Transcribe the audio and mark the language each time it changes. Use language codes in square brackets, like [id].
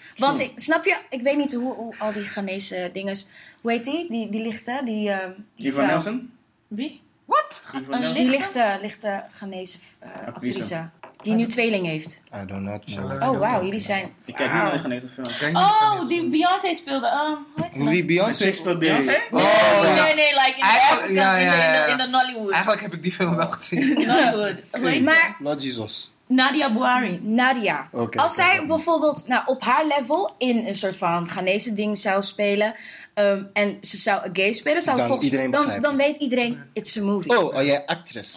[nl] Want, snap je, ik weet niet hoe al die Ghanese dingen... Hoe heet die? Die lichte? Die van Nelson? Wie? Wat? Die lichte Ghanese actrice. Die nu tweeling heeft. [en] I don't know. [nl] Jullie zijn... Ik kijk niet naar de Ghanese film. Die Beyoncé speelde. Beyoncé speelde? Nee, like in Africa, in de Nollywood. Eigenlijk heb ik die film wel gezien. Nollywood. Maar... [en] Lord Jesus. [nl] Nadia Bouhari. Nadia. Okay, als zij bijvoorbeeld op haar level in een soort van Ghanese ding zou spelen... en ze zou een gay spelen, zou dan weet iedereen, [en] it's a movie. [nl] Oh, jij actress.